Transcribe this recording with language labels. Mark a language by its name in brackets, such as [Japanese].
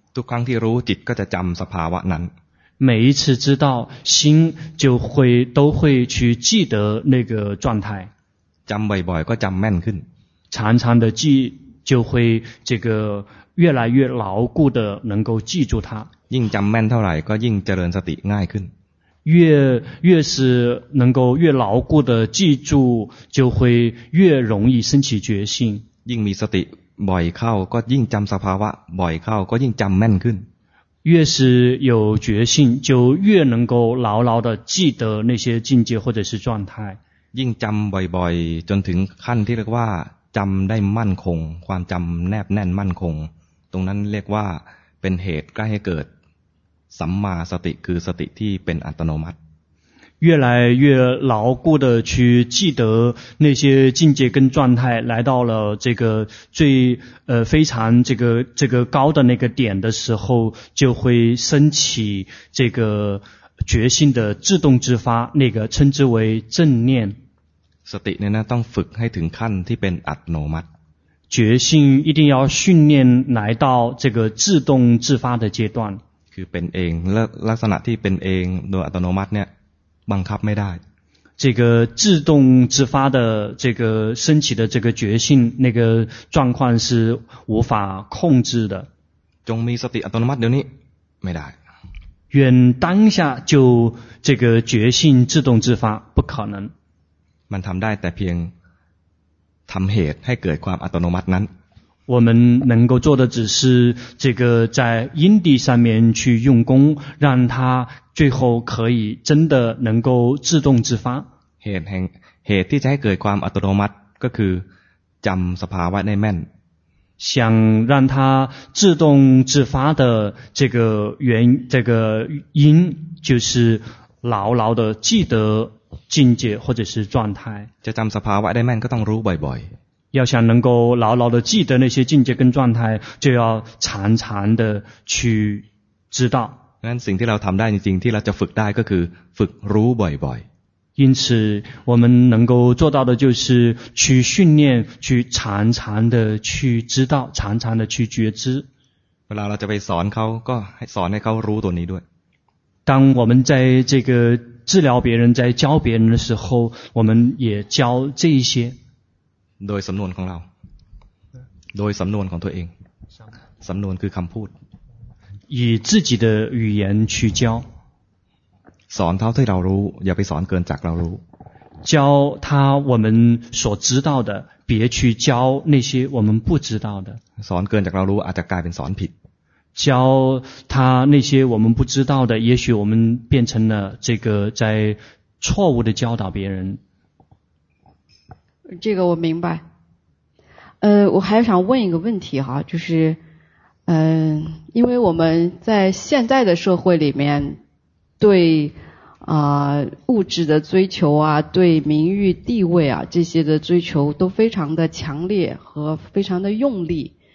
[Thai] ทุกครั้งที่รู้จิตก็จะจำสภาวะนั้น [Chinese] 每一次知道心就会都会去记得那个状态 [Thai] จำบ่อยๆก็จำแม่นขึ้น [Chinese] 常常的记就会这个越来越牢固的能够记住它 [Thai] ยิ่งจำแม่นเท่าไหร่ก็ยิ่งเจริญสติง่ายขึ้น [Chinese] 越是能够越牢固的记住就会越容易升起决心 [Thai] ยิ่งมีสติบ่อยเข้าก็ยิ่งจำสภาวะบ่อยเข้าก็ยิ่งจำแม่นขึ้น [Chinese] 越是有决心就越能够牢牢的记得那些境界或者是状态 [Thai] ยิ่งจำบ่อยๆจนถึงขั้นที่เรียกว่าจำได้มั่นคงความจำแนบแน่นมั่นคงตรงนั้นเรียกว่าเป็นเหตุใกล้ให้เกิดสัมมาสติคือสติที่เป็นอัตโนมัติ [Chinese] 越来越牢固的去记得那些境界跟状态来到了这个最非常这个高的那个点的时候就会升起这个决心的自动自发那个称之为正念 [Thai] สติเนี่ยนะต้องฝึกให้ถึงขั้นที่เป็นอัตโนมัติ [Chinese] 决心一定要训练来到这个自动自发的阶段 [Thai] คือเป็นเองลักษณะที่เป็นเองโดยอัตโนมัติเนี่ยบังคับไม่ได้ [Chinese] 这个自动自发的这个升起的这个决心那个状况是无法控制的 [Thai] จงมีสติอัตโนมัติเดี๋ยวนี้ไม่ได้ [Chinese] 愿当下就这个决心自动自发不可能 [Thai] มันทำได้แต่เพียงทำเหตุให้เกิดความอัตโนมัตินั้น [Chinese] 我们能够做的只是这个在因地上面去用功让它最后可以真的能够自动自发 [Thai] เหตุที่จะให้เกิดความอัตโนมัติก็คือจำสภาวะได้แม่น [Chinese] 想让它自动自发的这个原这个因就是牢牢的记得境界或者是状态 [Thai] จะจำสภาวะได้แม่นก็ต้องรู้บ่อย [Chinese] ๆ要想能够牢牢的记得那些境界跟状态就要常常的去知道 [Thai] งั้นสิ่งที่เราทำได้จริงๆที่เราจะฝึกได้ก็คือฝึกรู้บ่อย [Chinese] ๆ因此我们能够做到的就是去训练去常常的去知道常常的去觉知 [Thai] เวลาเราจะไปสอนเขาก็สอนให้เขารู้ตัวนี้ด้วย [Chinese] 当我们在这个治疗别人在教别人的时候我们也教这一些 [Thai] โดยสำนวนของเราโดยสำนวนของตัวเองสำนวนคือคำพูด [Chinese] 以自己的语言去教 [Thai] สอนเท่าที่เรารู้อย่าไปสอนเกินจากเรารู้ [Chinese] 教他我们所知道的，别去教那些我们不知道的。 [Thai] สอนเกินจากเรารู้อาจจะกลายเป็นสอนผิด。 [Chinese] 教他那些我们不知道的，也许我们变成了这个在错误的教导别人。这个我明白。我还想问一个问题哈，就是，因为我们在现在的社会里面，对物质的追求啊，对名誉地位啊这些的追求都非常的强烈和非常的用力。